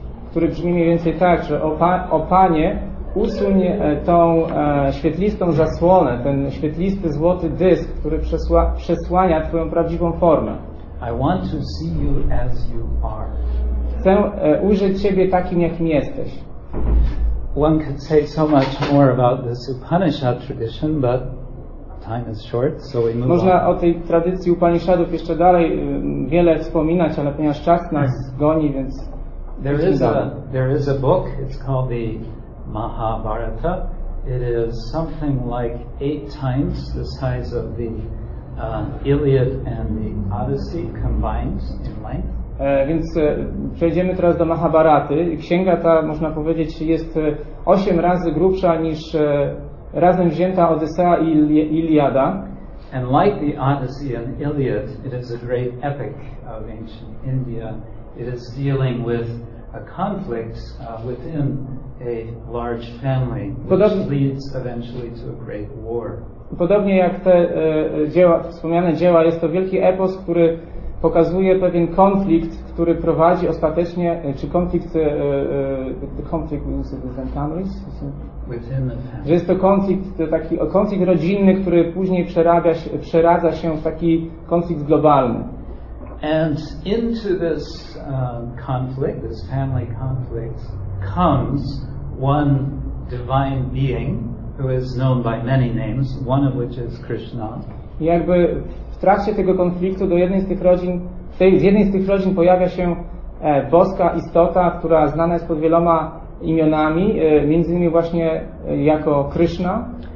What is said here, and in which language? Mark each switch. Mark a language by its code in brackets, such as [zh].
[pl] Który brzmi mniej więcej tak, że o Panie, usuń tą świetlistą zasłonę, ten świetlisty złoty dysk, który przesłania twoją prawdziwą formę. [en] I want to see you as you are. [pl] Chcę ujrzeć ciebie takim, jakim jesteś. [en] One could say so much more about this Upanishad tradition, but time is short, so we move. [pl] Można o tej tradycji Upanishadów jeszcze dalej wiele wspominać, ale ponieważ czas nas goni, więc [en] there is a book, it's called the Mahabharata. It is something like 8 times the size of the Iliad and the Odyssey combined in length. [pl] Więc przejdziemy teraz do Mahabharaty. Księga ta, można powiedzieć, jest 8 razy grubsza niż razem wzięta Odysea i Iliada. [en] And like the Odyssey and Iliad, it is a great epic of ancient India. It is dealing with a conflict within a large family, which leads eventually to a great war. [pl] Podobnie jak te dzieła, wspomniane dzieła, jest to wielki epos, który pokazuje pewien konflikt, który prowadzi ostatecznie, czy konflikt, [en] the conflict within families, [pl] że jest to konflikt, to taki konflikt rodzinny, który później przeradza się w taki konflikt globalny. [en] And into this conflict, this family conflict, comes one divine being who is known by many names, one of which is Krishna. [pl] I jakby w trakcie tego konfliktu do jednej z tych rodzin, z jednej z tych rodzin pojawia się boska istota, która znana jest pod wieloma imionami, między innymi właśnie jako Krishna.